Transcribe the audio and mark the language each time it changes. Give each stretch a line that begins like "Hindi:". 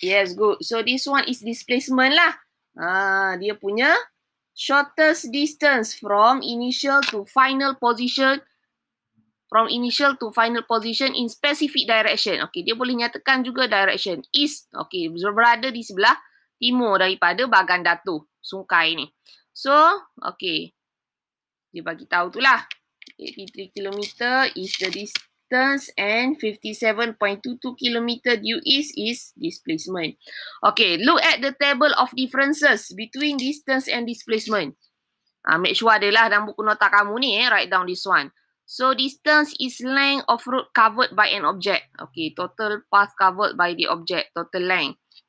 English: Yes, good. So, this one is displacement lah.
Malay: Dia punya
English: shortest distance from initial to final position. From initial to final position in specific direction. Okay,
Malay: dia boleh nyatakan juga
English: direction east. Okay,
Malay: berada di sebelah timur daripada Bagan Datu, sungai ni. So, okay. Dia bagi tahu tu lah.
English: 83 km is the distance and 57.22 km due east is displacement. Okay, look at the table of differences between distance and displacement. Make sure
Malay: adalah dalam buku nota kamu ni,
English: write down this one. So, distance is length of road covered by an object. Okay, total path covered by the object, total length.